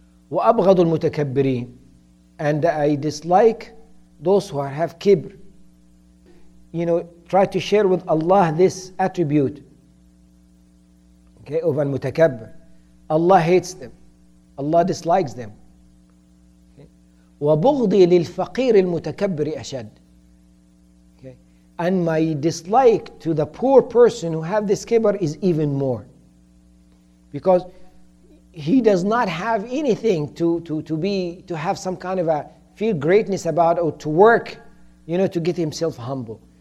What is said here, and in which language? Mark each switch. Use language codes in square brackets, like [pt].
[ar] وَأَبْغَضُ الْمُتَكَبِّرِينَ. [en] And I dislike those who have kibr. You know, try to share with Allah this attribute. Okay, of al-mutakabbir. Allah hates them. Allah dislikes them. [ar] وبغضي للفقير المتكبر أشد. [en] Okay. And my dislike to the poor person who have this kibar is even more. Because he does not have anything to have some kind of a feel greatness about, or to work, you know, to get himself humble.